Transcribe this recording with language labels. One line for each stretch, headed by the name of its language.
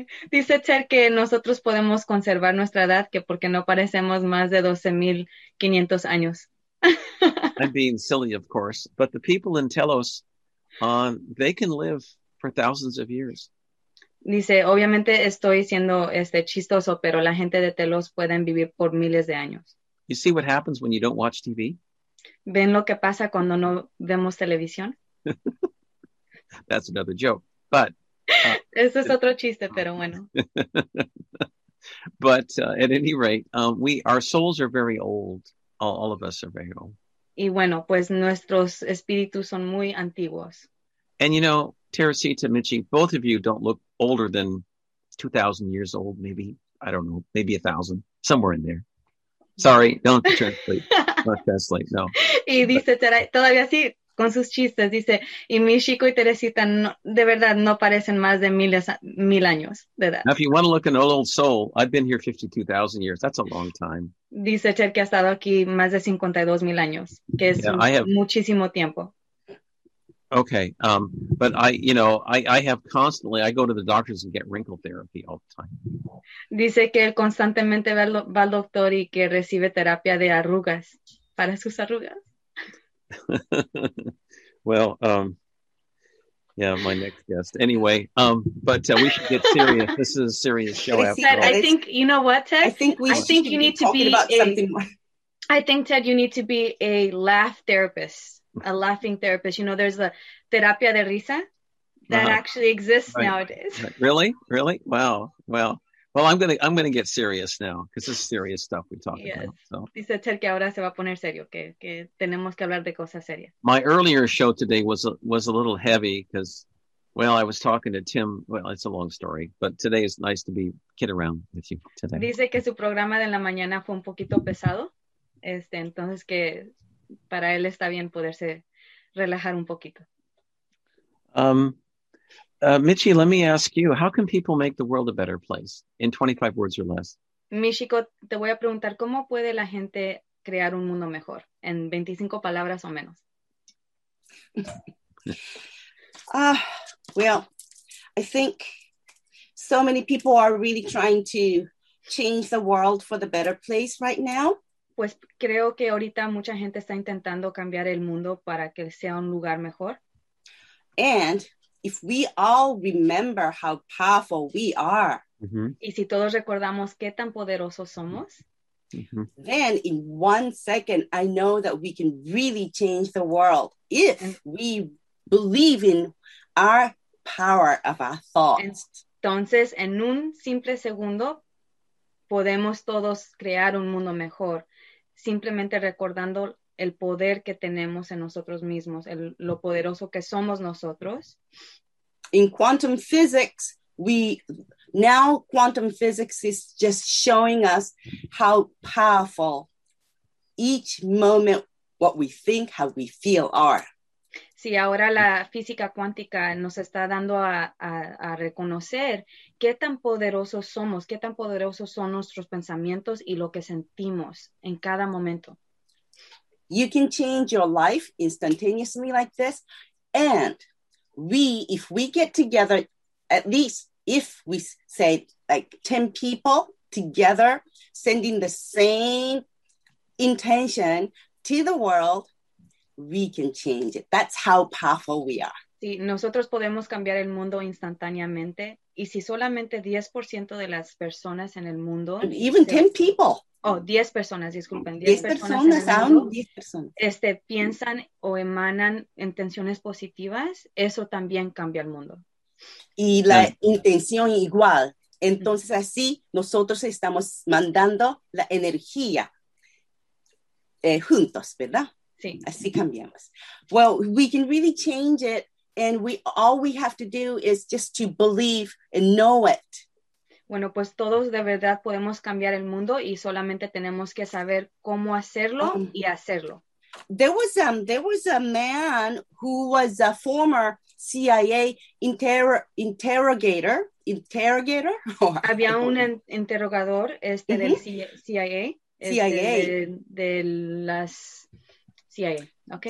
Spanish: Dice Ter que nosotros podemos conservar nuestra edad que porque no parecemos más de 12,500 años.
English: I'm being silly, of course, but the people in Telos, they can live for thousands of years.
Spanish: Dice, obviamente estoy siendo chistoso, pero la gente de Telos pueden vivir por miles de años.
English: You see what happens when you don't watch TV?
Spanish: ¿Ven lo que pasa cuando no vemos televisión?
English: That's another joke, but...
Spanish: Eso es otro chiste, pero bueno.
English: But at any rate, our souls are very old. All of us are very old.
Spanish: Y bueno, pues nuestros espíritus son muy antiguos.
English: And you know, Teresita, Michi, both of you don't look older than 2,000 years old, maybe. I don't know, maybe 1,000, somewhere in there. Sorry, don't translate. Not translate, no.
Spanish: Y dice, todavía sí, con sus chistes, dice, y mi chico y Teresita no, de verdad no parecen más de mil años de edad.
English: Now, if you want to look an old soul, I've been here 52,000 years. That's a long time.
Spanish: Dice Ted que ha estado aquí más de 52,000 años, que es muchísimo tiempo.
English: Okay, but I have constantly, I go to the doctors and get wrinkle therapy all the time.
Spanish: Dice que él constantemente va al doctor y que recibe terapia de arrugas para sus arrugas.
English: Well, my next guest. Anyway, we should get serious. This is a serious show. After Ted, all. I think you know what, Ted. I think Ted, you need to be a laugh therapist, a laughing therapist. You know, there's a
Spanish: terapia de risa
English: that actually exists nowadays. Really? Really? Wow. Well, Well, I'm gonna get serious now because this is serious stuff we talk about. So.
Spanish: Dice Ted que ahora se va a poner serio, que tenemos que hablar de cosas serias.
English: My earlier show today was a little heavy because, well, I was talking to Tim. Well, it's a long story, but today is nice to be kid around with you today.
Spanish: Dice que su programa de la mañana fue un poquito pesado, entonces que para él está bien poderse relajar un poquito.
English: Michi, let me ask you, how can people make the world a better place in 25 words or less?
Spanish: Michiko, te voy a preguntar, ¿cómo puede la gente crear un mundo mejor en 25 palabras o menos?
English: Well, I think so many people are really trying to change the world for the better place right now.
Spanish: Pues creo que ahorita mucha gente está intentando cambiar el mundo para que sea un lugar mejor.
English: And if we all remember how powerful we are,
Spanish: y si todos recordamos qué tan poderosos somos,
English: then in one second I know that we can really change the world if we believe in our power of our thoughts.
Spanish: Entonces, en un simple segundo, podemos todos crear un mundo mejor, simplemente recordando el poder que tenemos en nosotros mismos, lo poderoso que somos nosotros.
English: In quantum physics, quantum physics is just showing us how powerful each moment, what we think, how we feel are.
Spanish: Sí, ahora la física cuántica nos está dando a reconocer qué tan poderosos somos, qué tan poderosos son nuestros pensamientos y lo que sentimos en cada momento.
English: You can change your life instantaneously like this. And if we get together, at least if we say like 10 people together, sending the same intention to the world, we can change it. That's how powerful we are.
Spanish: Sí, nosotros podemos cambiar el mundo instantáneamente. Y si solamente 10% de las personas en el mundo...
English: Even 10 people.
Spanish: Oh, 10 personas, disculpen. 10 personas. Piensan o emanan intenciones positivas, eso también cambia el mundo. Y la intención igual. Entonces así nosotros estamos mandando la energía juntos, ¿verdad? Sí. Así cambiamos.
English: Well, we can really change it. And all we have to do is just to believe and know it.
Spanish: Bueno, pues todos de verdad podemos cambiar el mundo y solamente tenemos que saber cómo hacerlo y hacerlo.
English: There was a man who was a former CIA interrogator.
Spanish: Había un interrogador del CIA.
English: CIA.
Spanish: De las CIA. Okay.